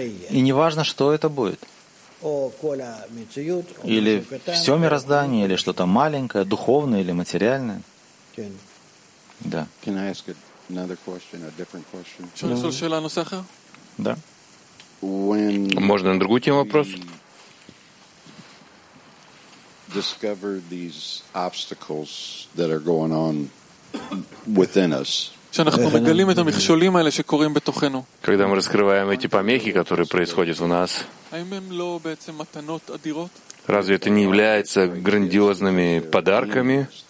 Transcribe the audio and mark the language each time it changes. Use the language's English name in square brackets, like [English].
[Russian] И не важно, что это будет. Или все мироздание, или что-то маленькое, духовное или материальное. Да. [English] Can I ask another question, a different question? [Russian] Да. Можно на другую тему вопрос? [English] Discover these obstacles that are going on within us. [Russian] Когда мы раскрываем эти помехи, которые происходят в нас. Когда мы раскрываем эти помехи, которые происходят в нас. Разве это не является грандиозными подарками?